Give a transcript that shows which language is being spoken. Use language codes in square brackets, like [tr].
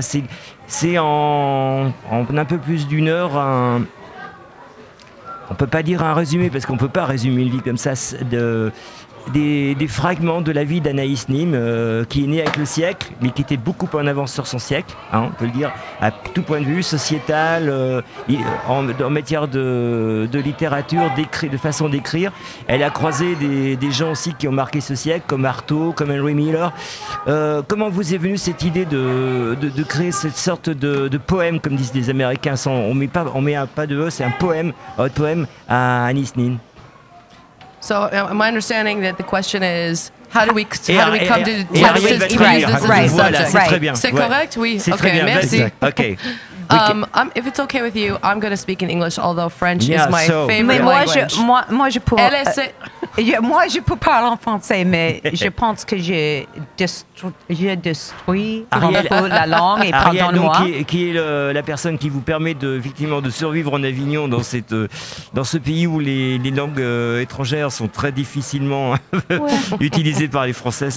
[fr] C'est en un peu plus d'une heure, on ne peut pas dire un résumé, parce qu'on ne peut pas résumer une vie comme ça, des fragments de la vie d'Anaïs Nin, qui est née avec le siècle, mais qui était beaucoup en avance sur son siècle, hein, on peut le dire, à tout point de vue, sociétal, en matière de littérature, de façon d'écrire. Elle a croisé des gens aussi qui ont marqué ce siècle, comme Artaud, comme Henry Miller. Comment vous est venue cette idée de créer cette sorte de poème, comme disent les Américains, un poème à Anaïs Nin? [en] So my understanding that the question is how do we come to use this as a subject? [fr] C'est correct? Oui. Okay. Merci. Okay. [en] If it's okay with you, I'm going to speak in English, although French is my favorite [fr] mais moi [en] language. [fr] Je peux parler en français, mais je pense que j'ai détruit un peu la langue et pardonne-moi. Ariel, donc, qui est la personne qui vous permet de survivre en Avignon dans ce pays où les langues étrangères sont très difficilement utilisées par les Français.